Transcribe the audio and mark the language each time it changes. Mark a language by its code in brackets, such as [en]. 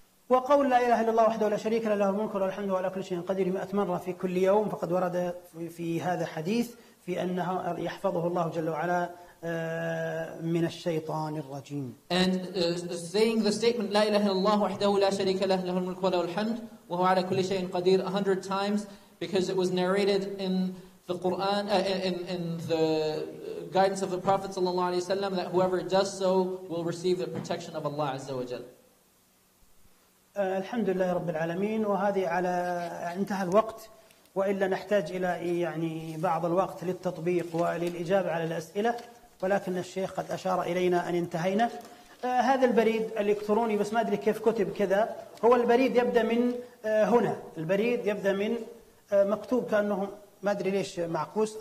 [ar] وقول لا إله إلا الله وحده لا شريك له الملك وله الحمد وعلى كل شيء قدير مئة مرة في كل يوم فقد ورد في هذا حديث في أنه يحفظه الله جل وعلا من الشيطان الرجيم. [en] And saying the statement [ar] لا إله إلا الله وحده لا شريك له له الملك وله الحمد وهو على كل شيء قدير [en] 100 times because it was narrated in the Quran in the guidance of the Prophet صلى الله عليه وسلم that whoever does so will receive the protection of Allah عز وجل. [ar] الحمد لله رب العالمين وهذه على انتهى الوقت. وإلا نحتاج إلى يعني بعض الوقت للتطبيق وللإجابة على الأسئلة ولكن الشيخ قد أشار إلينا أن انتهينا هذا البريد الإلكتروني بس ما أدري كيف كتب كذا هو البريد يبدأ من هنا البريد يبدأ من مكتوب كأنه ما أدري ليش معكوس